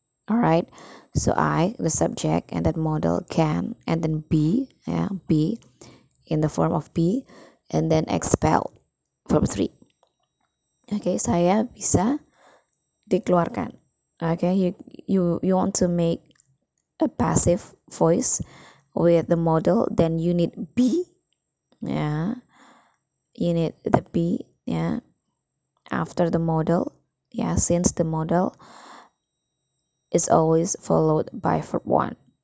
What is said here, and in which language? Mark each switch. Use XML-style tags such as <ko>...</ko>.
<en>All right, so I, the subject, and that modal can, and then be, yeah, be in the form of be, and then expelled from three.</en> <id>Okay, saya bisa dikeluarkan.</id> <en>Okay, you want to make a passive voice with the modal, then you need be, yeah. You need the be, yeah, after the modal, yeah, since the modal is always followed by verb one.</en>